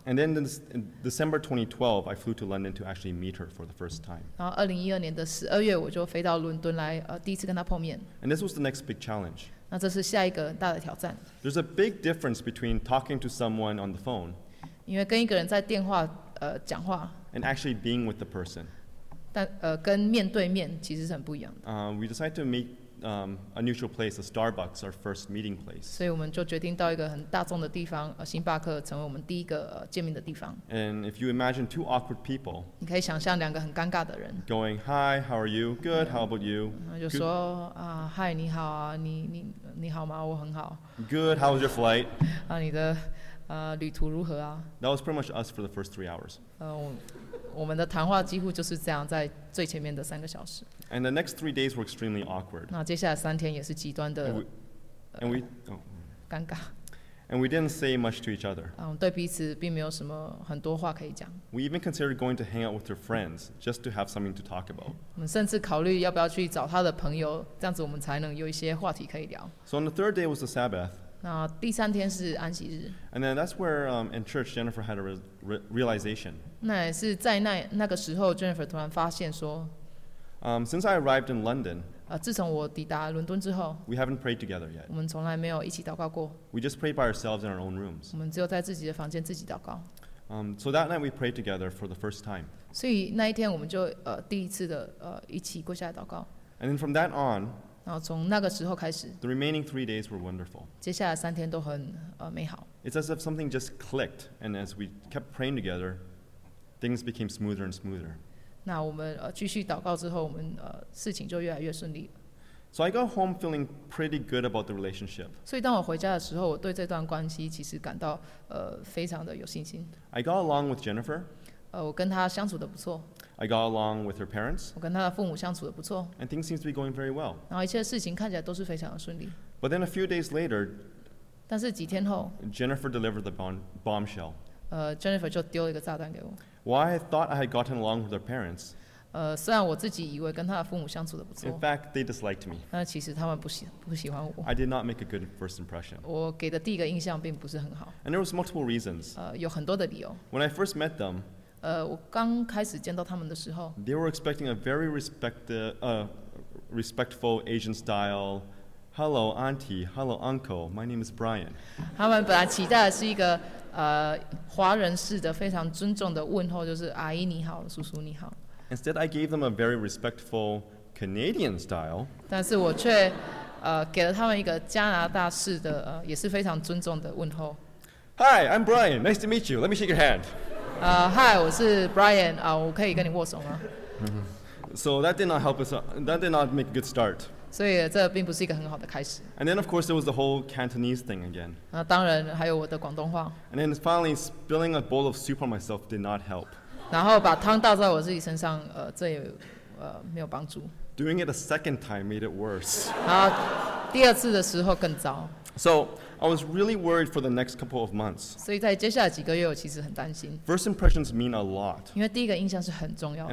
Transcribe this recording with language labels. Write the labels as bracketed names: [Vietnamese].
[English] And then in December 2012, I flew to London to actually meet her for the first time. [Chinese] 然后2012年的十二月，我就飞到伦敦来第一次跟她碰面。 [English] And this was the next big challenge. [Chinese] 那这是下一个大的挑战。 [English] There's a big difference between talking to someone on the phone. [Chinese] 因为跟一个人在电话讲话。 [English] And actually being with the person. [Chinese] 但跟面对面其实是很不一样的。 [English] We decided to meet a neutral place, a Starbucks, our first meeting place. [Chinese] 所以我们就决定到一个很大众的地方，星巴克成为我们第一个见面的地方。 [English] And if you imagine two awkward people. [Chinese] 你可以想象两个很尴尬的人。 [English] Going, hi, how are you? Good, how about you? [Chinese] 就说啊，嗨，你好啊，你好吗？我很好。 [English] Good, how was your flight? [Chinese] 啊，你的旅途如何啊？ [English] That was pretty much us for the first 3 hours. [Chinese] 我们的谈话几乎就是这样，在最前面的三个小时。 [English] And the next 3 days were extremely awkward. [Chinese] 那接下来三天也是极端的。尴尬。 [English] And we didn't say much to each other. [Chinese] 对彼此并没有什么很多话可以讲。 [English] We even considered going to hang out with her friends just to have something to talk about. [Chinese] 我们甚至考虑要不要去找她的朋友，这样子我们才能有一些话题可以聊。 [English] So on the third day was the Sabbath. [Chinese] 那第三天是安息日。 [English] And then that's where in church Jennifer had a realization. [Chinese] 那也是在那个时候 ，Jennifer 突然发现说。 [English] Since I arrived in London, [Chinese] 自从我抵达伦敦之后 [English] ，we haven't prayed together yet. [Chinese] 我们从来没有一起祷告过。 [English] We just prayed by ourselves in our own rooms. [Chinese] 我们只有在自己的房间自己祷告。 [English] So that night we prayed together for the first time. [Chinese] 所以那一天我们就第一次的一起跪下来祷告。 [English] And then from that on, [Chinese] 然后从那个时候开始 [English] ，the remaining 3 days were wonderful. [Chinese] 接下来三天都很美好。 [English] It's as if something just clicked, and as we kept praying together, things became smoother and smoother. [Chinese] 那我们继续祷告之后，我们事情就越来越顺利。 [English] So I got home feeling pretty good about the relationship. [Chinese] 所以当我回家的时候，我对这段关系其实感到非常的有信心。 [English] I got along with Jennifer. [Chinese] 我跟她相处的不错。 [English] I got along with her parents. [Chinese] 我跟她的父母相处的不错。 [English] And things seems to be going very well. [Chinese] 然后一切事情看起来都是非常的顺利。 [English] But then a few days later. [Chinese] 但是几天后。 [English] Jennifer delivered the bombshell. [Chinese] Jennifer 就丢了一个炸弹给我。 [English] Why I thought I had gotten along with their parents. [Chinese] 虽然我自己以为跟他的父母相处的不错。 [English] In fact, they disliked me. [Chinese] 但其实他们不喜欢我。 [English] I did not make a good first impression. [Chinese] 我给的第一个印象并不是很好。 [English] And there was multiple reasons. [Chinese] 有很多的理由。 [English] When I first met them. [Chinese] 我刚开始见到他们的时候。 [English] They were expecting a very respectful Asian style. Hello, auntie. Hello, uncle. My name is Brian. [Chinese] 他们本来期待的是一个。华人式的非常尊重的问候，就是阿姨你好，叔叔你好。 [English] Instead, I gave them a very respectful Canadian style. [Chinese] 但是我却给了他们一个加拿大式的也是非常尊重的问候。 [English] Hi, I'm Brian. Nice to meet you. Let me shake your hand. [Chinese] Hi, 我是 Brian. 我可以跟你握手吗？ [English] So that did not help us. That did not make a good start. [Chinese] 所以这并不是一个很好的开始。 [English] And then, of course, there was the whole Cantonese thing again. [Chinese] 当然还有我的广东话。 [English] And then finally, spilling a bowl of soup on myself did not help. [Chinese] 然后把汤倒在我自己身上，这也没有帮助。 [English] Doing it a second time made it worse. [Chinese] 然后第二次的时候更糟。 [English] So I was really worried for the next couple of months. [Chinese] 所以在接下来几个月，我其实很担心。 [English] First impressions mean a lot. [Chinese] 因为第一个印象是很重要的。